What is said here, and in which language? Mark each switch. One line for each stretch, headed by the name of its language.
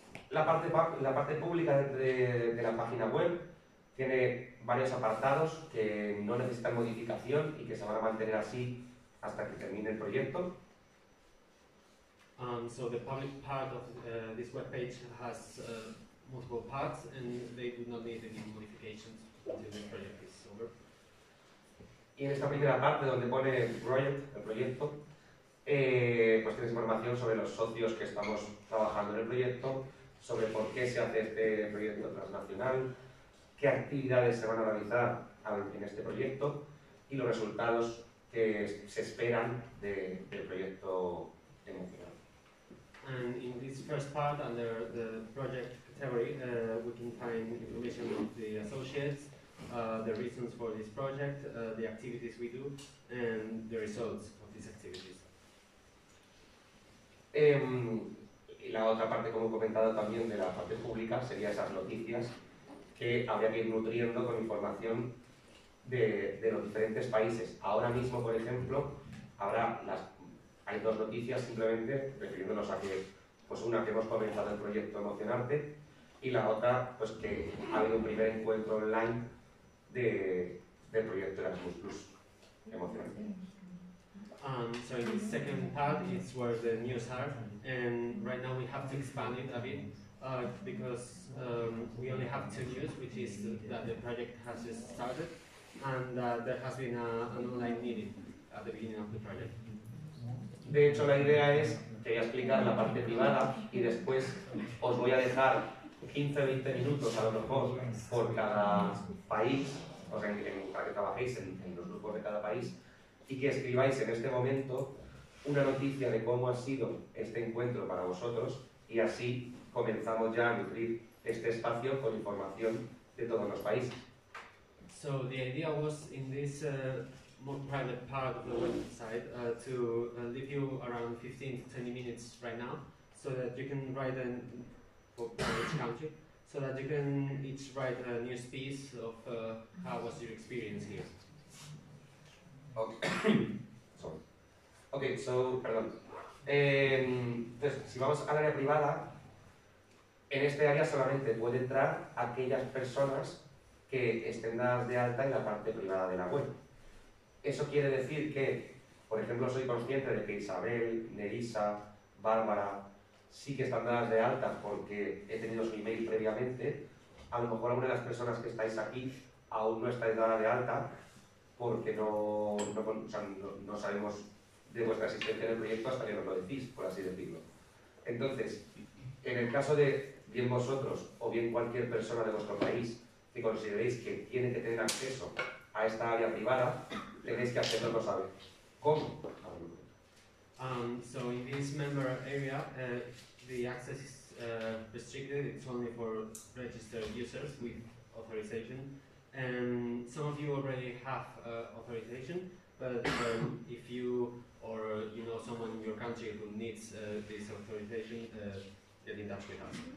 Spanish: La parte pública de la página web tiene varios apartados que no necesitan modificación y que se van a mantener así hasta que termine el proyecto.
English: So the public part of this web page has multiple parts and they do not need any modifications until the project is over.
Spanish: Y en esta primera parte donde pone el proyecto, pues tienes información sobre los socios que estamos trabajando en el proyecto, sobre por qué se hace este proyecto transnacional, qué actividades se van a realizar en este proyecto y los resultados que se esperan del proyecto emocional.
English: And in this first part, under the project category, we can find information of the associates, the reasons for this project, the activities we do, and the results of these activities.
Spanish: Y la otra parte, como he comentado también, de la parte pública, sería esas noticias que habría que ir nutriendo con información de los diferentes países. Ahora mismo, por ejemplo, habrá las hay dos noticias simplemente, refiriéndonos a que, pues una, que hemos comenzado el proyecto Emocionarte, y la otra, pues que ha habido un primer encuentro online del proyecto Erasmus Plus Emocionarte.
English: So the second part is where the news are, and right now we have to expand it a bit because we only have two news, which is that the project has just started and that there has been an online meeting at the beginning of the project.
Spanish: De hecho, la idea es que voy a explicar la parte privada y después os voy a dejar 15-20 minutos a lo mejor por cada país, o sea, para que trabajéis en los grupos de cada país, y que escribáis en este momento una noticia de cómo ha sido este encuentro para vosotros, y así comenzamos ya a nutrir este espacio con información de todos los países.
English: So the idea was in this more private part of the website to leave you around 15-20 minutes right now, so that you can write an for each country, so that you can each write a news piece of how was your experience here.
Spanish: Perdón. Entonces, si vamos al área privada, en este área solamente puede entrar aquellas personas que estén dadas de alta en la parte privada de la web. Eso quiere decir que, por ejemplo, soy consciente de que Isabel, Nerissa, Bárbara sí que están dadas de alta porque he tenido su email previamente. A lo mejor alguna de las personas que estáis aquí aún no estáis dada de alta, porque no sabemos de vuestra existencia en el proyecto hasta que nos lo decís, por así decirlo. Entonces, en el caso de bien vosotros o bien cualquier persona de vuestro país que consideréis que tiene que tener acceso a esta área privada, tenéis que hacernoslo saber. ¿Cómo?
English: So in this member area, the access is restricted. It's only for registered users with authorization. And some of you already have authorization, but if you or you know someone in your country who needs this authorization, get in touch with us.